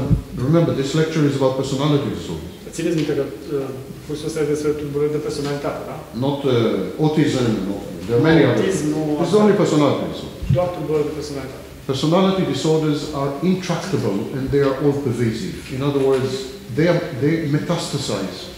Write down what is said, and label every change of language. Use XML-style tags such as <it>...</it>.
<en>And remember, this lecture is about personality disorder.</en> <ro>Țineți minte că cursul ăsta e despre tulburări de personalitate, da?</ro> <en>Not autism, no. There are many others. It's only personality disorder.</en> <ro>Doar tulburări de personalitate.</ro> <en>Personality disorders are intractable and they are all pervasive. In other words, they metastasize.</en>